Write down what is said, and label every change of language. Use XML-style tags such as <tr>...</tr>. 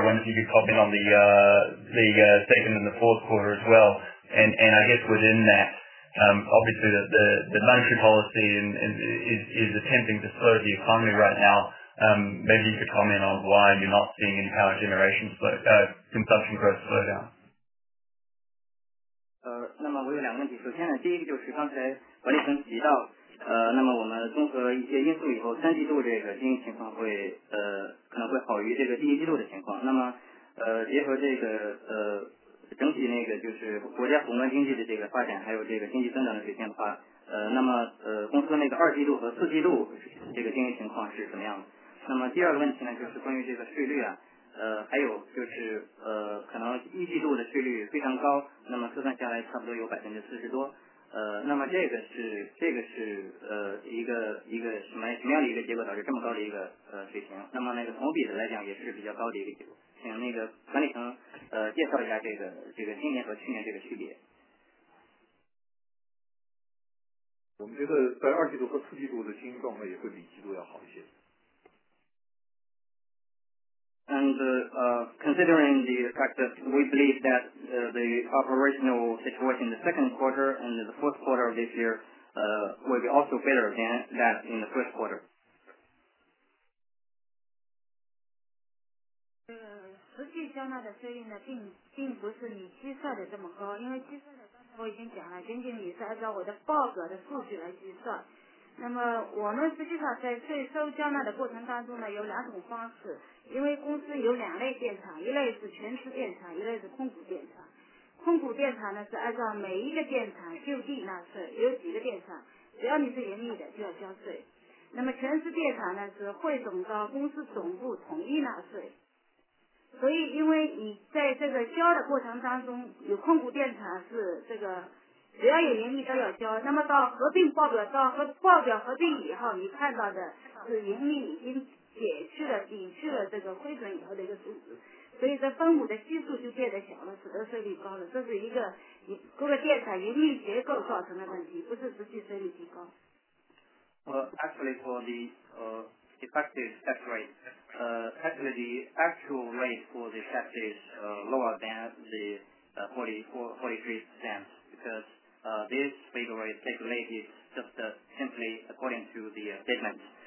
<en>I wonder if you could pop in on the second and the fourth quarter as well. And I guess within that, obviously the monetary policy is attempting to slow the economy right now. Maybe you could comment on why you're not seeing any power generation consumption growth slow down.</en> <zh>那么我有两个问题。首先呢，第一个就是刚才管理层提到，那么我们综合一些因素以后，三季度这个经营情况会可能会好于这个第一季度的情况。那么结合这个整体那个就是国家宏观经济的这个发展，还有这个经济增长的水平的话，那么公司那个二季度和四季度这个经营情况是怎么样的？那么第二个问题呢，就是关于这个税率啊。还有就是可能一季度的税率非常高，那么测算下来差不多有40%多，那么这个是一个什么样的一个结果导致这么高的一个水平？那么那个同比的来讲也是比较高的一个结果，请那个管理层介绍一下这个今年和去年这个区别。我们觉得在二季度和四季度的经营状况也会比一季度要好一些。</zh> <en>And considering the fact that we believe that the operational situation in the second quarter and the fourth quarter of this year will be also better than that in the first quarter.</en> <zh>实际缴纳的税率呢，并不是你计算的这么高，因为计算的刚才我已经讲了，仅仅你是按照我的报表的数据来计算。那么我们实际上在税收缴纳的过程当中呢，有两种方式，因为公司有两类电厂，一类是全资电厂，一类是控股电厂。控股电厂呢是按照每一个电厂就地纳税，有几个电厂，只要你是盈利的就要交税。那么全资电厂呢是汇总到公司总部统一纳税。所以因为你在这个交的过程当中，有控股电厂是这个只要有盈利都要交，那么到报表合并以后，你看到的是盈利已经抵去了这个亏损以后的一个数字，所以这分母的基数就变得小了，使得税率高了。这是一个各个电厂盈利结构造成的问题，不是实际税率提高。</zh> <en>Actually, for the effective tax rate, actually the actual rate for the tax is lower than the 43%, because this figure is calculated just simply according to the statement.</en>